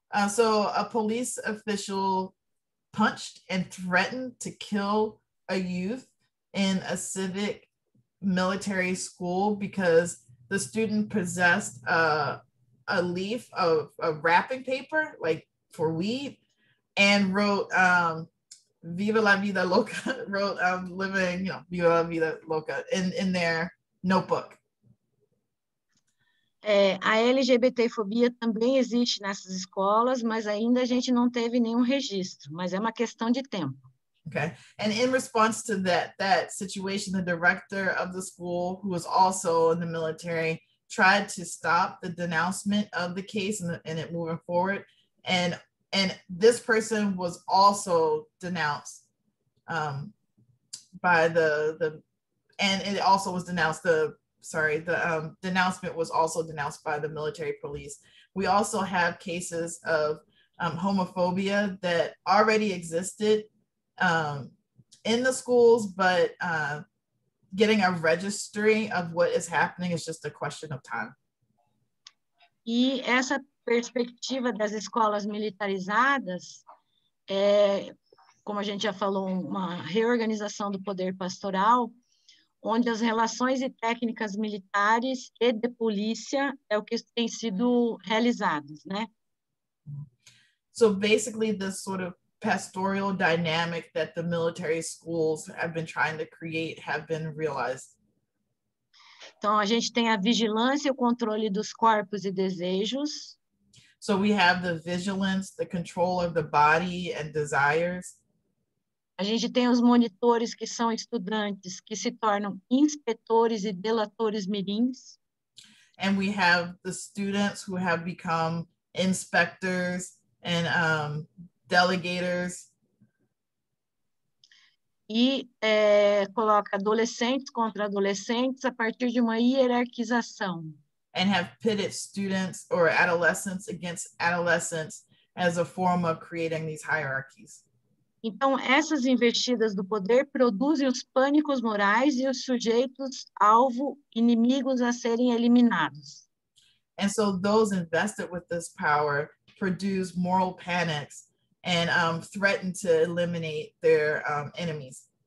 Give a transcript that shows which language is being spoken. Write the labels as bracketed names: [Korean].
[English] So a police official punched and threatened to kill a youth in a civic military school because the student possessed a leaf of a wrapping paper, like for weed, and wrote [Spanish] Viva la vida loca, [English] wrote living, Viva la vida loca in their notebook. [Portuguese] A LGBTfobia também existe nessas escolas, mas ainda a gente não teve nenhum registro, mas é uma questão de tempo. [English] Okay. And in response to that situation, the director of the school, who was also in the military, tried to stop the denouncement of the case and it moving forward. And this person was also denounced by the and it also was denounced the sorry, the denouncement was also denounced by the military police. We also have cases of homophobia that already existed in the schools, but getting a registry of what is happening is just a question of time. [Portuguese] E essa perspectiva das escolas militarizadas, como a gente já falou, uma reorganização do poder pastoral, onde as relações e técnicas militares e de polícia é o que tem sido realizados, né? [English] So basically, this sort of pastoral dynamic that the military schools have been trying to create have been realized. [Portuguese] Então, a gente tem a vigilância e o controle dos corpos e desejos. [English] So we have the vigilance, the control of the body and desires. [Portuguese] A gente tem os monitores que são estudantes que se tornam inspetores e delatores mirins. [English] And we have the students who have become inspectors and delegators. [Portuguese] E coloca adolescentes contra adolescentes a partir de uma hierarquização. [English] And have pitted students or adolescents against adolescents as a form of creating these hierarchies. [Portuguese] Então, essas investidas do poder produzem os pânicos morais e os sujeitos alvo, inimigos a serem eliminados. [English] And so those invested with this power produce moral panics and threaten to eliminate their enemies.